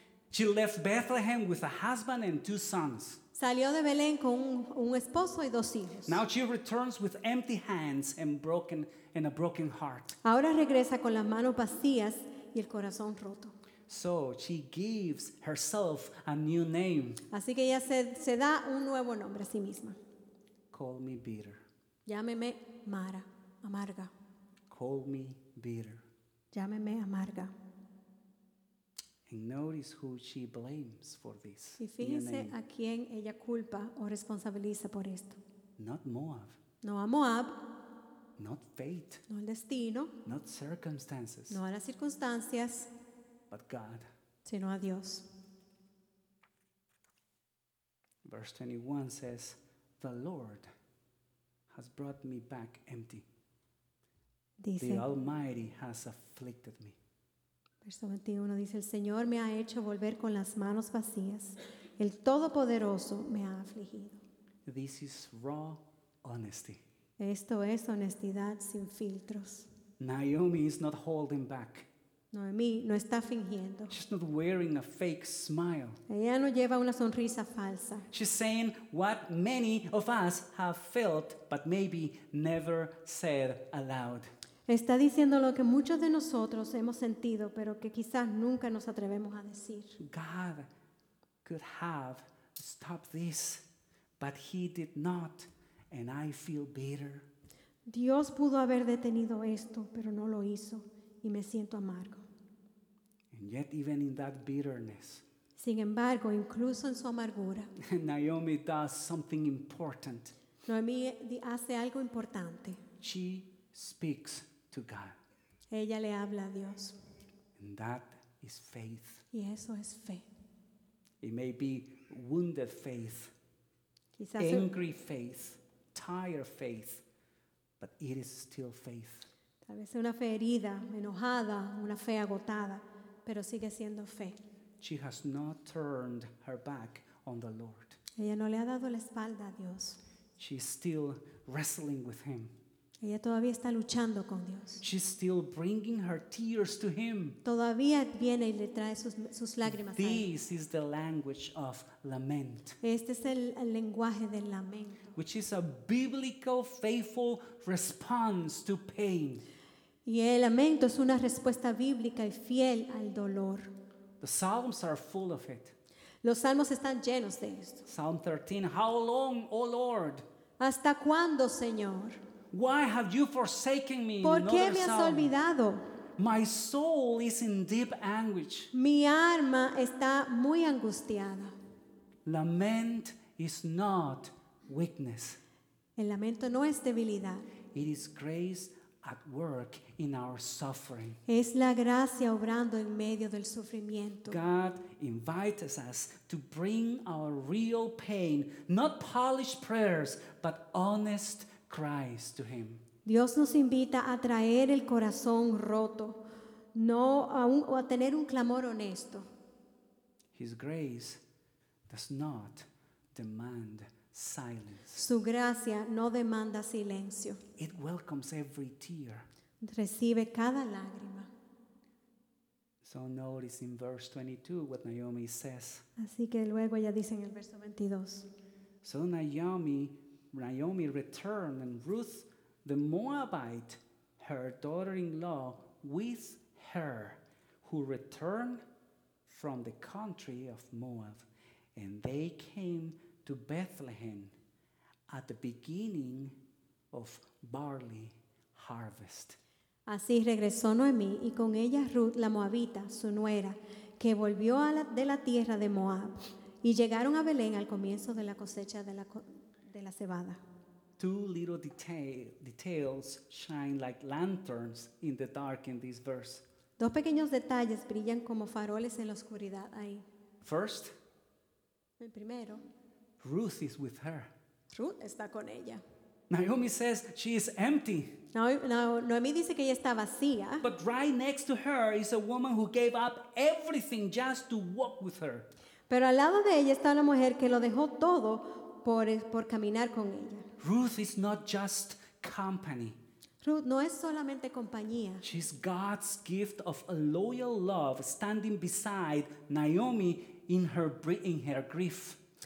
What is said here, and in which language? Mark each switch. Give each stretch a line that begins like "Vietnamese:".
English: She left Bethlehem with a husband and two sons.
Spanish: Salió de Belén con un esposo y dos hijos.
English: Now she returns with empty hands and a broken heart.
Spanish: Ahora regresa con las manos vacías y el corazón roto.
English: So she gives herself a new name.
Spanish: Así que ella se da un nuevo nombre a sí misma.
English: Call me bitter.
Spanish: Llámeme Mara, amarga.
English: Call me bitter.
Spanish: Llámeme amarga.
English: And notice who she blames for this.
Spanish: Y fíjense a quién ella culpa o responsabiliza por esto.
English: Not Moab.
Spanish: No a Moab.
English: Not fate.
Spanish: No el destino.
English: Not circumstances.
Spanish: No a las circunstancias.
English: But God.
Spanish: Sino a Dios.
English: Verse 21 says, "The Lord has brought me back empty.
Spanish: Dice,
English: the Almighty has afflicted me."
Spanish: Verso 21 dice, "El Señor me ha hecho volver con las manos vacías. El Todopoderoso me ha afligido."
English: This is raw honesty.
Spanish: Esto es honestidad sin filtros.
English: Naomi is not holding back.
Spanish: Noemí no está fingiendo.
English: She's not wearing a fake smile.
Spanish: Ella no lleva una sonrisa falsa.
English: She's saying what many of us have felt, but maybe never said aloud.
Spanish: Está diciendo lo que muchos de nosotros hemos sentido, pero que quizás nunca nos atrevemos a decir.
English: God could have stopped this, but he did not, and I feel bitter.
Spanish: Dios pudo haber detenido esto, pero no lo hizo. Y me siento amargo.
English: And yet, even in that bitterness,
Spanish: sin embargo, incluso en su amargura,
English: Naomi does something important.
Spanish: Noemí hace algo importante.
English: She speaks to God.
Spanish: Ella le habla a Dios.
English: And that is faith.
Spanish: Y eso es fe.
English: It may be wounded faith,
Spanish: quizás
English: angry faith, tired faith. But it is still faith.
Spanish: Tal vez una fe herida, enojada, una fe agotada, pero sigue siendo fe.
English: She has not turned her back on the Lord.
Spanish: Ella no le ha dado la espalda a Dios.
English: She is still wrestling with him.
Spanish: Ella todavía está luchando con Dios.
English: She's still bringing her tears to him.
Spanish: Todavía viene y le trae sus lágrimas a él.
English: This is the language of lament.
Spanish: Este es el lenguaje del lamento.
English: Which is a biblical faithful response to pain.
Spanish: Y el lamento es una respuesta bíblica y fiel al dolor.
English: The Psalms are full of it.
Spanish: Los salmos están llenos de esto.
English: Psalm 13, how long, O Lord?
Spanish: ¿Hasta cuándo, Señor?
English: Why have you forsaken me?
Spanish: ¿Por qué me has olvidado?
English: My soul is in deep anguish.
Spanish: Mi alma está muy angustiada.
English: Lament is not weakness.
Spanish: El lamento no es debilidad.
English: It is grace at work in our suffering.
Spanish: Es la gracia obrando en medio del sufrimiento.
English: God invites us to bring our real pain, not polished prayers, but honest cries to him.
Spanish: Dios nos invita a traer el corazón roto, no a un, o a tener un clamor honesto.
English: His grace does not demand silence.
Spanish: Su gracia no demanda silencio.
English: It welcomes every tear.
Spanish: Recibe cada lágrima.
English: So notice in verse 22 what Naomi says.
Spanish: Así que luego ella dice en el verso 22.
English: So Naomi returned, and Ruth the Moabite, her daughter-in-law, with her, who returned from the country of Moab, and they came to Bethlehem at the beginning of barley harvest.
Spanish: Así regresó Noemí, y con ella Ruth la Moabita, su nuera, que volvió de la tierra de Moab, y llegaron a Belén al comienzo de la cosecha de la cebada.
English: Two little details shine like lanterns in the dark in this verse.
Spanish: Dos pequeños detalles brillan como faroles en la oscuridad ahí.
English: First,
Spanish: el primero,
English: Ruth is with her.
Spanish: Ruth está con ella.
English: Naomi says she is empty.
Spanish: Noemi dice que ella está vacía.
English: But right next to her is a woman who gave up everything just to walk with her.
Spanish: Pero al lado de ella está una mujer que lo dejó todo por caminar con ella.
English: Ruth is not just company.
Spanish: Ruth no es solamente compañía.
English: She's God's gift of a loyal love standing beside Naomi in her grief.